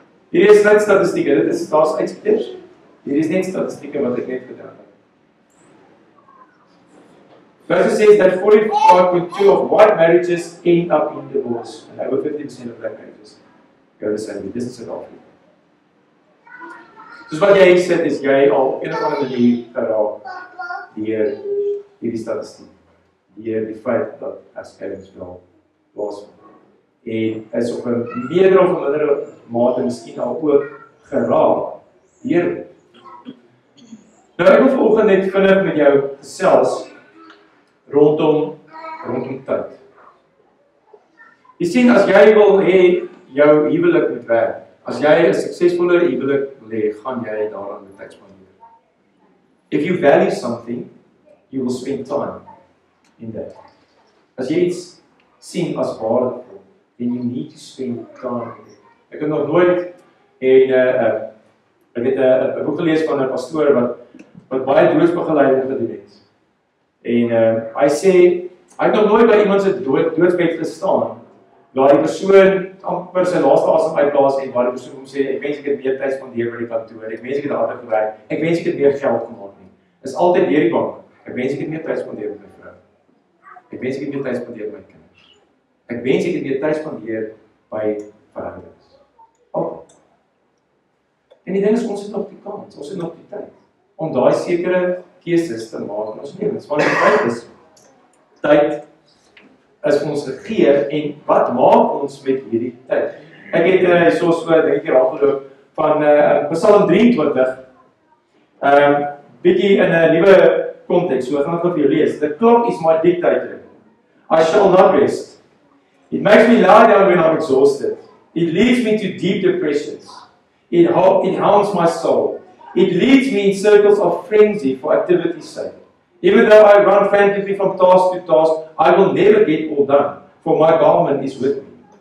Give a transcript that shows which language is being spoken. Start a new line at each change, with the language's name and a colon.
Afrikaans: Hier is net statistieke, dit is daar's uitskeiers. Hier is net statistieke wat ek net gedoen het.
English: Verse says that 45.2% of white marriages end up in divorce, and over 50% of black marriages go the same way. This is South Africa.
Afrikaans: Soos wat jy sit, is jy al een of ander manier geraak deur hierdie statistiek, deur die feit dat as kinders wel plaasvind. en is op 'n meer of minder mate miskien al ook geraak deur. Nou ek wil vanoggend net vinnig met jou gesels rondom tyd. Jy sien, as jy wil hê jou huwelik moet werk, as jy 'n suksesvolle huwelik wil hê, gaan jy daaraan moet tyd spandeer.
English: If you value something, you will spend time in that.
Afrikaans: As jy iets sien as waardevol,
English: then you need to spend time.
Afrikaans: Ek het nog nooit ek het 'n boek gelees van 'n pastoor wat baie doodsbegeleiding gedoen het. En hy sê hy het nog nooit by iemand se doodsbed gestaan waar die persoon amper sy laaste asem uitblaas en waar die persoon hom sê ek wens ek het meer tyd spandeer by die kantoor. Ek wens ek het harder gewerk. Ek wens ek het meer geld gemaak nie. Is altyd weer die bank. Ek wens ek het meer tyd spandeer met my vrou. Ek wens ek het meer tyd spandeer met my kinders. Ek wens ek het meer tyd spandeer by verhoudings. En die ding is, ons het nog die kans, ons het nog die tyd om daai sekere keuses te maak in ons lewens. Want die tyd is, vir ons gegee, en wat maak ons met hierdie tyd? Ek het Psalm 23, bietjie in 'n nuwe konteks, so ek gaan vir jou lees.
English: The clock is my dictator. I shall not rest. It makes me lie down when I'm exhausted. It leads me to deep depressions. It haunts my soul. It leads me in circles of frenzy for activity's sake. Even though I run frantically from task to task, I will never get all done, for my garment is with me.